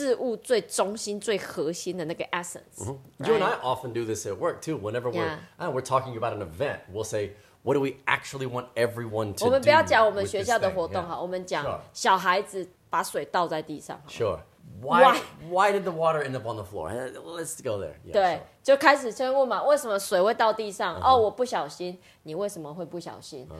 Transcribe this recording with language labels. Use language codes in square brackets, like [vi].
[zh] 一直问问题，问到最后，你就会问到这个物，这个不会，对，疯掉之外，如果你没有疯掉，你就会找到这个事物最中心、最核心的那个 essence. [en] Mm-hmm. Right? You and I often do this at work too. Whenever we're talking about an event, we'll say, "What do we actually want everyone to?" [zh] 我们不要讲我们学校的活动哈，我们讲小孩子把水倒在地上。 [en] Sure. Why did the water end up on the floor? Let's go there. Yeah, [zh] 对，就开始先问嘛，为什么水会倒地上？ Uh-huh. 哦，我不小心，你为什么会不小心？